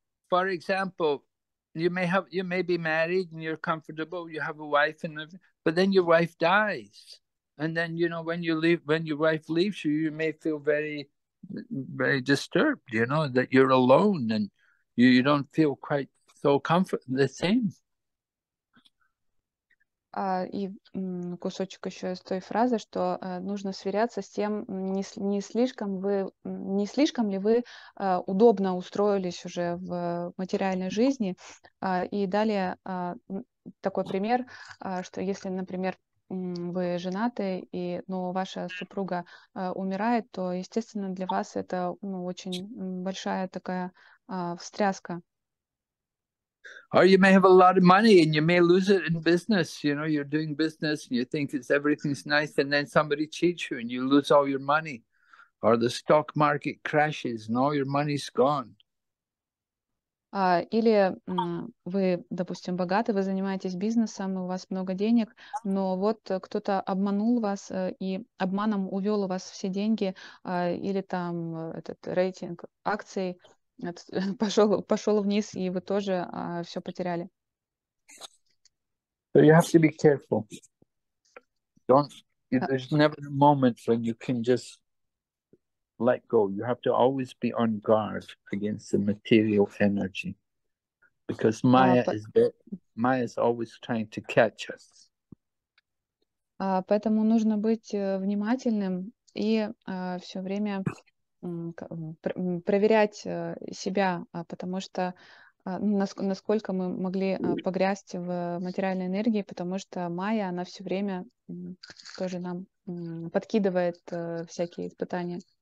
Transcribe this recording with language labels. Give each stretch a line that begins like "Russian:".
English: For example, you may be married and you're comfortable, you have a wife and everything, but then your wife dies. And then, you know, when your wife leaves you, you may feel very, very disturbed, you know, that you're alone and you don't feel quite so comfortable, the same.
Russian: И кусочек еще из той фразы, что нужно сверяться с тем, не слишком ли вы удобно устроились уже в материальной жизни. И далее такой пример, что если, например, вы женаты, но ваша супруга умирает, то, естественно, для вас это очень большая такая встряска.
English: Or you may have a lot of money and you may lose it in business. You know, you're doing business and you think it's everything's nice and then somebody cheats you and you lose all your money. Or the stock market crashes and all your money's gone.
Russian: Или вы, допустим, богаты, вы занимаетесь бизнесом, у вас много денег, но вот кто-то обманул вас и обманом увел у вас все деньги, или там этот рейтинг акций пошел вниз, и вы тоже все потеряли.
English: So you have to be careful. There's never a moment when you can just let go. You have to always be on guard against the material energy. Because Maya is always trying to catch us.
Russian: Поэтому нужно быть внимательным и все время проверять себя, потому что насколько мы могли погрязть в материальной энергии, потому что Майя, она все время тоже нам подкидывает всякие испытания.